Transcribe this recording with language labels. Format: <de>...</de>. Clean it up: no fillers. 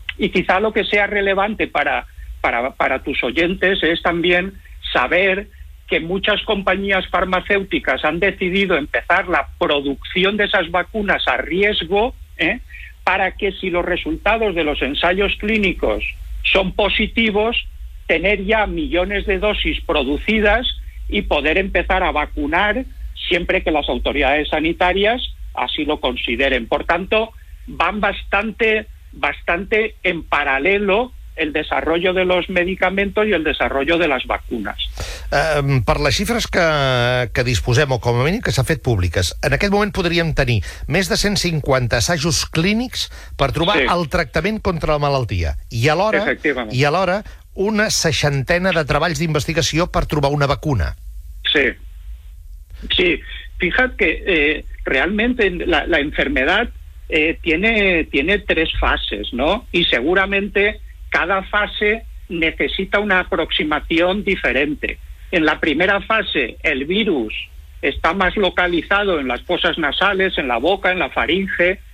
<es>Y quizá lo que sea relevante para tus oyentes es también saber que muchas compañías farmacéuticas han decidido empezar la producción de esas vacunas a riesgo, ¿eh?, para que si los resultados de los ensayos clínicos son positivos, tener ya millones de dosis producidas y poder empezar a vacunar siempre que las autoridades sanitarias así lo consideren. Por tanto, van bastante, bastante en paralelo el desarrollo de los medicamentos y el desarrollo de las vacunas.</es> <ca>Per les xifres que disposem, o com a mínim que s'ha fet públiques, en aquest moment podríem tenir més de 150 assajos clínics per trobar el tractament contra la malaltia. I alhora, una seixantena de treballs d'investigació per trobar una vacuna.</ca> <es>Sí, fíjate que realmente la enfermedad tiene tres fases, ¿no? Y seguramente cada fase necesita una aproximación diferente. En la primera fase, el virus está más localizado en las fosas nasales, en la boca, en la faringe.</es>